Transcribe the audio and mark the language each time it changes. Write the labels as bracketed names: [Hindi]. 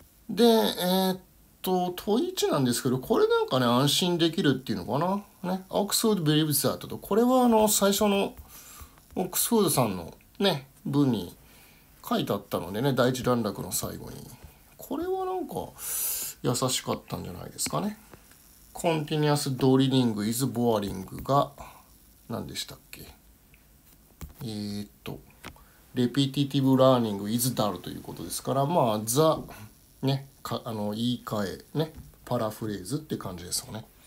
[Japanese] で、問1なんですけど、これなんかね、安心できるっていうのかな。ね、 [English] Oxford believes that [Japanese] と、これは最初の Oxford さんのね、文に書いてあったのでね、第一段落の最後に。これはなんか、優しかったんじゃないですかね。 [English] Continuous drilling is boring [Japanese] が、何でしたっけ。 [English] Repetitive learning is dull [Japanese] ということですから、まあ、the、ね、か言い換え、ね、パラフレーズって感じですよね。